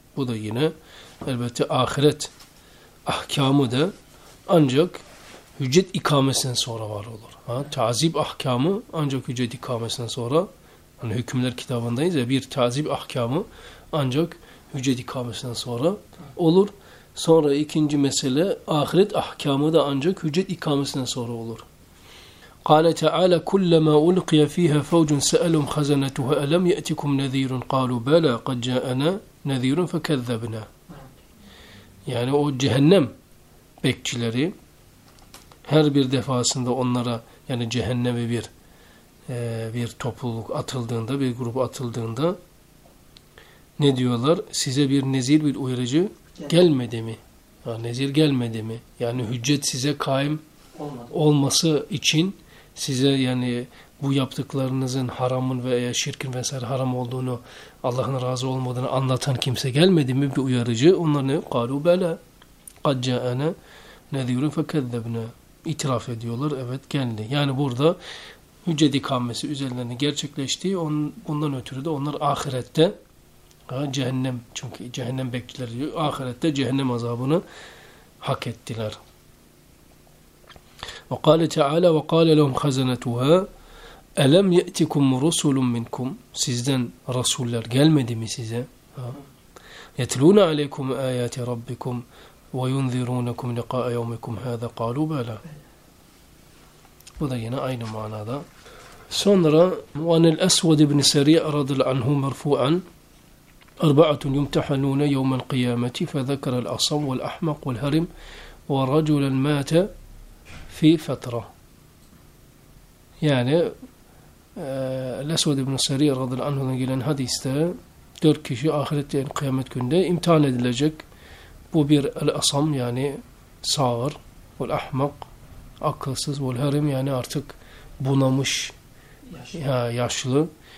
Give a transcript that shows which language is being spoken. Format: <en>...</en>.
<tr>Bu da yine elbette ahiret ahkamı da ancak hüccet ikamesinden sonra var olur. Ha, tazib ahkamı ancak hüccet ikamesinden sonra, hani hükümler kitabındayız ya, bir tazib ahkamı ancak hüccet ikamesinden sonra olur. Sonra ikinci mesele, ahiret ahkamı da ancak hüccet ikamesinden sonra olur.</tr> <ar>قال تعالى كلما ألقي فيها فوج سألهم خزنتها ألم يأتكم نذير قالوا بلى قد جاءنا نذير فكذبنا.</ar> <tr>Yani o cehennem bekçileri her bir defasında onlara, yani cehenneme bir topluluk atıldığında, bir grup atıldığında ne diyorlar? Size bir nezir, bir uyarıcı gelmedi mi? Ha, nezir gelmedi mi? Yani hüccet size kaim olması için size, yani bu yaptıklarınızın haramın veya şirkin vesaire haram olduğunu, Allah'ın razı olmadığını anlatan kimse gelmedi mi, bir uyarıcı? Onlar ne?</tr> <ar>قَالُوا بَلَا قَدْ جَاءَنَا نَذِيرٌ فَكَذَّبْنَا</ar> <tr>İtiraf ediyorlar, evet geldi. Yani burada hüccet ikamesi üzerlerine gerçekleşti. Bundan ötürü de onlar ahirette, cehennem, çünkü cehennem bekçileri diyor, ahirette cehennem azabını hak ettiler.</tr> <ar>وقال تعالى وقال لهم خزنتها ألم يأتكم رسل منكم</ar> <tr>sizden rasuller gelmedi mi size?</tr> <ar>يتلون عليكم آيات ربكم وينذرونكم لقاء يومكم هذا قالوا بلى.</ar> <tr>Bu da yine aynı manada. Sonra</tr> <ar>وعن الأسود بن سريع رضي الله عنه مرفوعا أربعة يمتحنون يوم القيامة فذكر الأصم والأحمق والهرم ورجلا مات fi fetre.</ar> <tr>Yani Lesved ibn-i Sarih radıyallahu anh'ın gelen hadiste dört kişi ahirette, yani kıyamet günde imtihan edilecek. Bu bir el-asam, yani sağır, vel-ahmak, akılsız, vel-harim, yani artık bunamış, yaşlı.</tr>